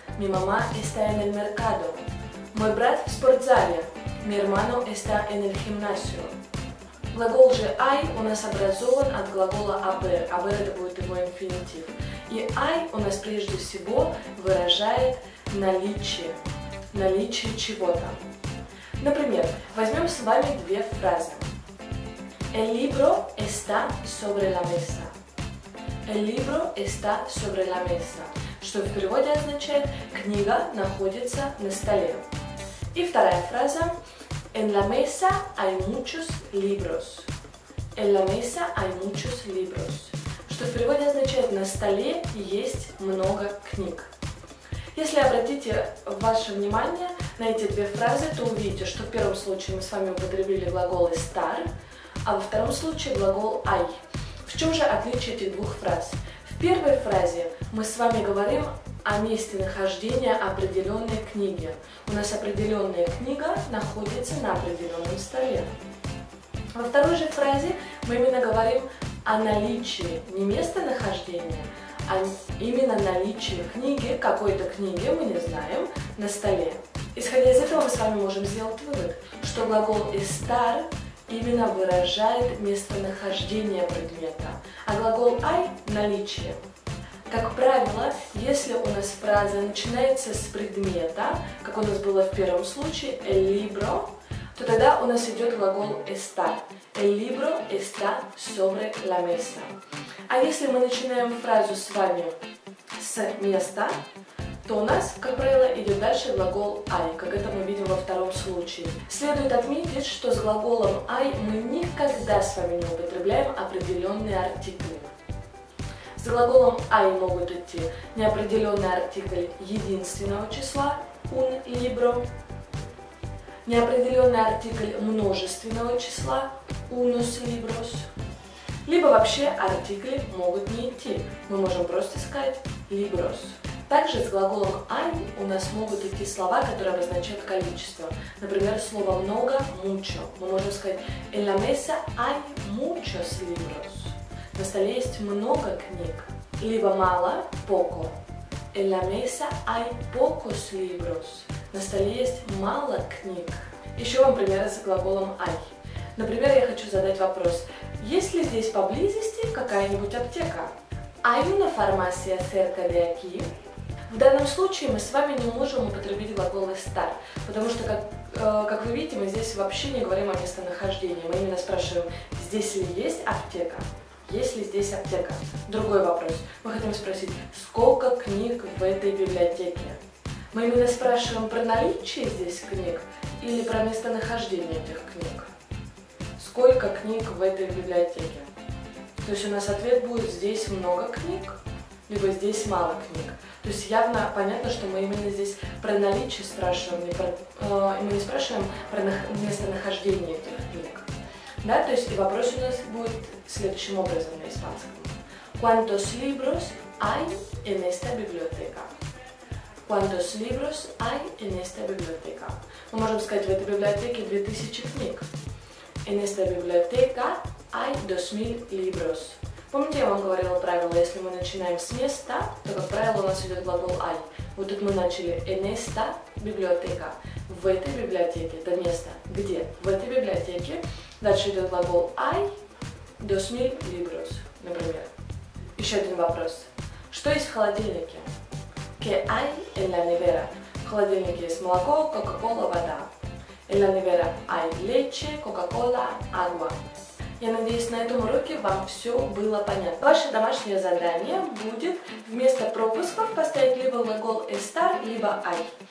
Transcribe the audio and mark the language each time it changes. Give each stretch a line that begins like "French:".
Spanish: Mi mamá está en el mercado.
Russian: Мой брат в спортзале.
Spanish: Mi hermano está en el gimnasio.
Russian: Глагол же I у нас образован от глагола haber. Haber это будет его инфинитив. И I у нас прежде всего выражает наличие. Наличие чего-то. Например, возьмем с вами две фразы.
Spanish: El libro está sobre la mesa. El libro está sobre la mesa.
Russian: Что в переводе означает «книга находится на столе». И вторая фраза.
Spanish: En la mesa hay muchos libros. En la mesa hay muchos libros.
Russian: Что в переводе означает «на столе есть много книг». Если обратите ваше внимание на эти две фразы, то увидите, что в первом случае мы с вами употребили глагол estar, а во втором случае глагол hay. В чем же отличие этих двух фраз? В первой фразе мы с вами говорим о месте нахождения определенной книги. У нас определенная книга находится на определенном столе. Во второй же фразе мы именно говорим о наличии, не местонахождения, а именно наличие книги, какой-то книги, мы не знаем, на столе. Исходя из этого, мы с вами можем сделать вывод, что глагол estar именно выражает местонахождение предмета, а глагол hay – наличие. Как правило, если у нас фраза начинается с предмета, как у нас было в первом случае, el libro, то тогда у нас идет глагол estar.
Spanish: El libro está sobre la mesa.
Russian: А если мы начинаем фразу с вами с места, то у нас, как правило, идет дальше глагол hay, как это мы видим во втором случае. Следует отметить, что с глаголом hay мы никогда с вами не употребляем определенные артиклы. С глаголом hay могут идти неопределенный артикль единственного числа
Spanish: un libro,
Russian: неопределенный артикль множественного числа
Spanish: unos libros,
Russian: либо вообще артикли могут не идти. Мы можем просто сказать libros. Также с глаголом hay у нас могут идти слова, которые обозначают количество. Например, слово много mucho. Мы можем сказать
Spanish: en la mesa hay muchos libros.
Russian: На столе есть много книг, либо мало – poco.
Spanish: En la mesa hay pocos libros.
Russian: На столе есть мало книг. Еще вам пример с глаголом hay. Например, я хочу задать вопрос. Есть ли здесь поблизости какая-нибудь аптека?
Spanish: Hay una farmacia cerca de aquí?
Russian: В данном случае мы с вами не можем употребить глагол estar, потому что, как вы видите, мы здесь вообще не говорим о местонахождении. Мы именно спрашиваем, здесь ли есть аптека? Есть ли здесь аптека? Другой вопрос. Мы хотим спросить, сколько книг в этой библиотеке? Мы именно спрашиваем про наличие здесь книг или про местонахождение этих книг? Сколько книг в этой библиотеке? То есть у нас ответ будет, здесь много книг, либо здесь мало книг. То есть явно понятно, что мы именно здесь про наличие спрашиваем, мы не спрашиваем про местонахождение этих книг. Да, то есть и вопрос у нас будет следующим образом на испанском.
Spanish: ¿Cuántos libros hay en esta biblioteca? ¿Cuántos libros hay en esta biblioteca?
Russian: Мы можем сказать, в этой библиотеке 2000 книг.
Spanish: En esta biblioteca hay 2000 libros.
Russian: В Помните, я вам говорила правило, если мы начинаем с места, то, как правило, у нас идет глагол «ай». Вот тут мы начали
Spanish: «en esta biblioteca».
Russian: В этой библиотеке. Это место. Где? В этой библиотеке. Дальше идет глагол «ай».
Spanish: «Dos mil libros»,
Russian: например. Еще один вопрос. Что есть в холодильнике?
Spanish: «Que hay en la nevera».
Russian: В холодильнике есть молоко, кока-кола, вода.
Spanish: «En la nevera hay leche, coca-cola, agua».
Russian: Я надеюсь, на этом уроке вам все было понятно. Ваше домашнее задание будет вместо пропусков поставить либо глагол estar, либо ay.